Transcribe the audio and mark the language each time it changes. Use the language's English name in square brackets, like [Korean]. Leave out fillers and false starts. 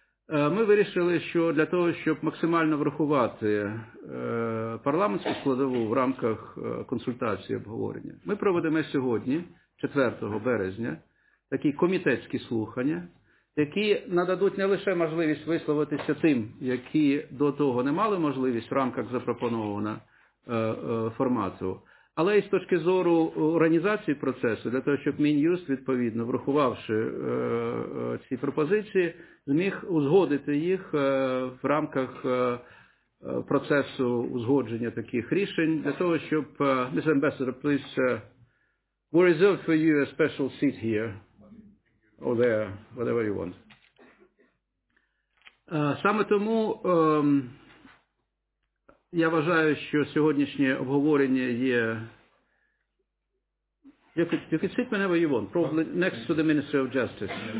[Ukrainian] Ми вирішили, що для того, щоб максимально врахувати парламентську складову в рамках консультації обговорення, ми проведемо сьогодні, 4 березня, такі комітетські слухання, які нададуть не лише можливість висловитися тим, які до того не мали можливість в рамках запропонованого формату, Але і з точки зору організації процесу, для того, щоб Мін'юст, відповідно, врахувавши ці пропозиції, зміг узгодити їх в рамках процесу узгодження таких рішень, для того, щоб... [English] Mr. Ambassador, please, we reserved for you a special seat here, or there, whatever you want. [Ukrainian] Саме тому я вважаю, що сьогоднішнє обговорення є... [English] You can sit whenever you want, probably next to the Minister of Justice.